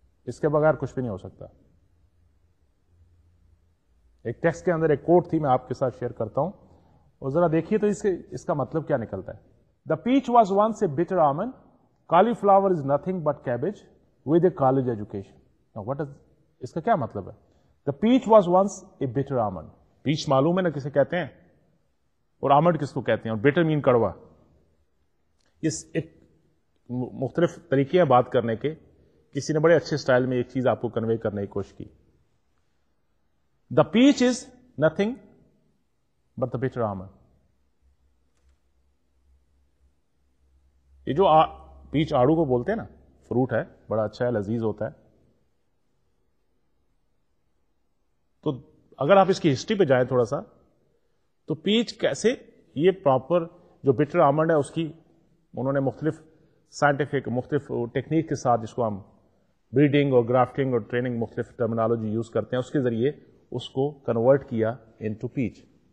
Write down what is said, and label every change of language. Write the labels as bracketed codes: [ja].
[ur] اس کے بغیر کچھ بھی نہیں ہو سکتا. ایک ٹیکسٹ کے اندر ایک کوٹ تھی, میں آپ کے ساتھ شیئر کرتا ہوں, اور ذرا دیکھیے تو اس کا مطلب کیا نکلتا ہے. [en] The peach was once a bitter almond, cauliflower is nothing but cabbage with a college education. What is, [ur] اس کا کیا مطلب ہے؟ [en] The peach was once a bitter almond. [ur] پیچ معلوم ہے نا کسے کہتے ہیں, اور آلمنڈ کس کو کہتے ہیں, اور بٹر مین کڑوا. اس ایک مختلف طریقے ہیں بات کرنے کے, کسی نے بڑے اچھے سٹائل میں ایک چیز آپ کو کنوے کرنے کی کوشش کی. [en] The peach is nothing but the bitter almond. [ur] یہ جو پیچ آڑو کو بولتے ہیں نا, فروٹ ہے, بڑا اچھا ہے, لذیذ ہوتا ہے. تو اگر آپ اس کی ہسٹری پہ جائیں تھوڑا سا, تو پیچ کیسے, یہ پراپر جو بٹر آلمنڈ ہے اس کی انہوں نے مختلف سائنٹیفک مختلف ٹیکنیک کے ساتھ, جس کو ہم بریڈنگ اور گرافٹنگ اور ٹریننگ مختلف ٹرمینالوجی یوز کرتے ہیں, اس کے ذریعے اس کو کنورٹ کیا انٹو پیچ.